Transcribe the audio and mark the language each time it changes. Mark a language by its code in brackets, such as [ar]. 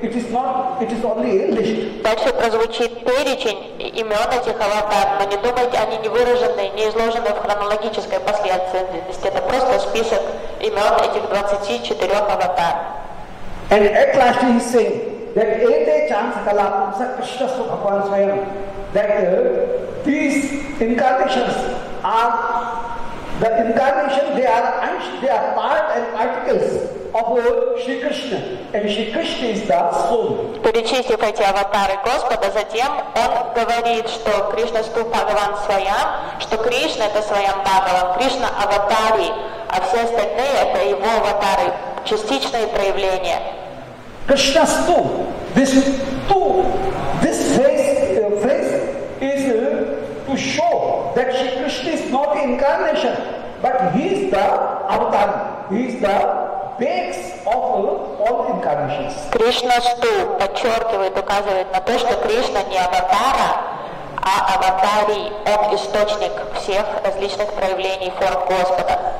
[en] It is not, it is only a list. [ru] Так что прозвучит перечень имен этих аватар, но не думайте, они не выражены, не изложены в хронологической последовательности. Это просто список имен этих 24 аватар. [en] And at last he is saying, that [sa] ete chansa kala pumsa krishna so bhagavan swayam, [en] that these incarnations are the incarnation, they are ansh, they are part and particles of Shri Krishna, and Shri Krishna is the soul. [ru] Перечислив эти аватары Господа, затем он говорит, что [sa] Кришна ступ Бхагаван Свайам, [ru] что Кришна это Свайам Бхагаван, Кришна аватари, а все остальные это его аватары, частичные проявления. [en] Krishna stu, this tu, this phrase, phrase is to show that Shri Krishna is not the incarnation, but he is the avatar, he is the base of all incarnations. [ru] Krishna stu подчеркивает, указывает на то, что Кришна не аватара, а аватари, он источник всех различных проявлений форм Господа.